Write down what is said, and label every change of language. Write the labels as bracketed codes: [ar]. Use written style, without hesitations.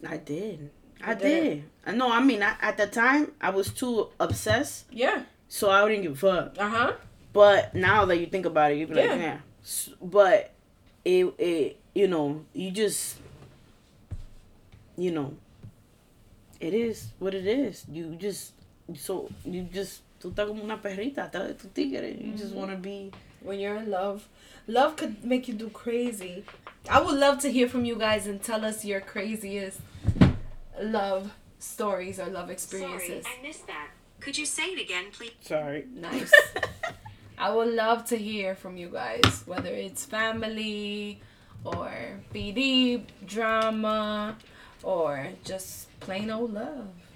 [en] I did. I did. No, I mean, I, at the time, I was too obsessed. Yeah. So I wouldn't give a fuck. Uh-huh. But now that you think about it, you'd be like, yeah. But it, you know, you just, you know, it is what it is. [es] Tú estás como una perrita, estás de tu tigre. [en] You just want to be. When you're in love, love could make you do crazy. I would love to hear from you guys and tell us your craziest love stories or love experiences. Sorry, I missed that. Could you say it again, please? Sorry. Nice. I would love to hear from you guys, whether it's family or BD drama or just plain old love.